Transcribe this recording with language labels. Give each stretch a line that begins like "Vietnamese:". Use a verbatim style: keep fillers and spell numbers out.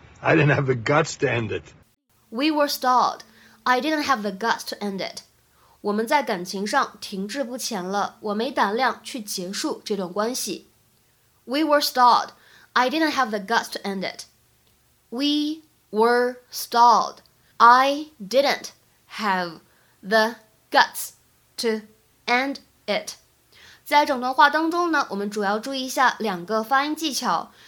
English: I didn't have the guts to end it. We were stalled. I didn't have the guts to end it.
Chinese: 我们在感情上停滞不前了，我没胆量去结束这段关系。
English: We were stalled. I didn't have the guts to end it. We were stalled. I didn't have the guts to end it.
Chinese: 在整段话当中呢，我们主要注意一下两个发音技巧。